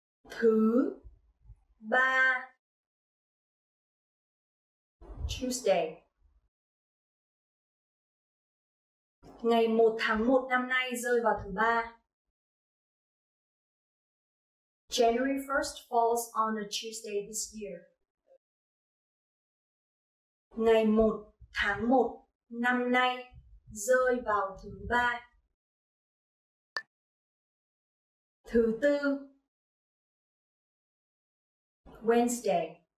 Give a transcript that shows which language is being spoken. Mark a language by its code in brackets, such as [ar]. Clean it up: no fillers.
[vi] Thứ ba. [en] Tuesday. [vi] Ngày 1 tháng 1 năm nay rơi vào thứ ba. [en] January 1st falls on a Tuesday this year. [vi] Ngày 1 tháng 1 năm nay rơi vào thứ ba. Thứ tư. [en] Wednesday.